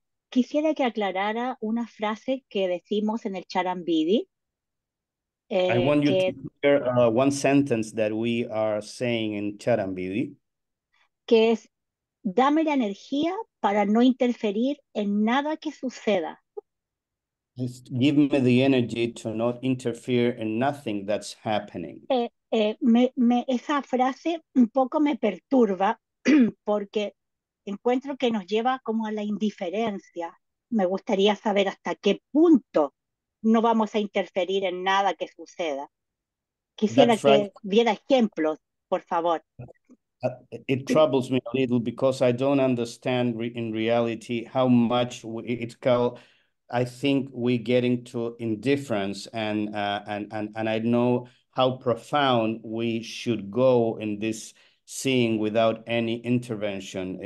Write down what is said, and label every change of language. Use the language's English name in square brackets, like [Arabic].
[Spanish] Quisiera que aclarara una frase que decimos en el Charambidi. [English] I want you to hear one sentence that we are saying in Charambidi. [Spanish] Que es, dame la energía para no interferir en nada que suceda. [English] Just give me the energy to not interfere in nothing that's happening. [Spanish] Esa frase un poco me perturba porque encuentro que nos lleva como a la indiferencia. Me gustaría saber hasta qué punto no vamos a interferir en nada que suceda. Quisiera que diera ejemplos, por favor. [English] It troubles me a little because I don't understand in reality how much it's called. I think we get into indifference, and I know how profound we should go in this seeing without any intervention.